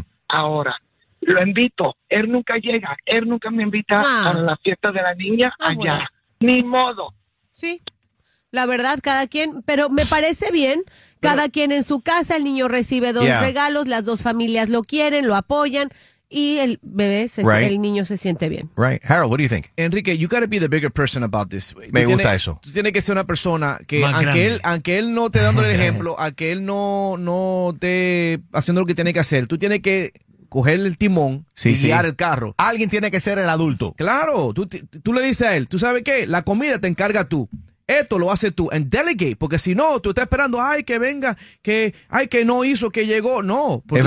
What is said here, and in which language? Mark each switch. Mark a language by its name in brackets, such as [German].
[Spanish] Ahora, lo invito. Él nunca llega. Él nunca me invita a la fiesta de la niña allá. Bueno. Ni modo. Sí. La verdad, cada quien, pero me parece bien, cada quien en su casa, el niño recibe dos regalos, las dos familias lo quieren, lo apoyan. Y el bebé, el niño se siente bien. [English] Right. Harold, what do you think? Enrique, you got to be the bigger person about this. [Spanish] Me gusta eso. Tú tienes que ser una persona que, aunque él no esté dando el ejemplo, aunque él no esté haciendo lo que tiene que hacer, tú tienes que coger el timón y guiar el carro. Alguien tiene que ser el adulto. Claro. Tú le dices a él, ¿tú sabes qué? La comida te encarga tú. Esto lo haces tú. [English] And delegate, [Spanish] porque si no, tú estás esperando, ay, que venga, que ay, que no hizo, que llegó. No, porque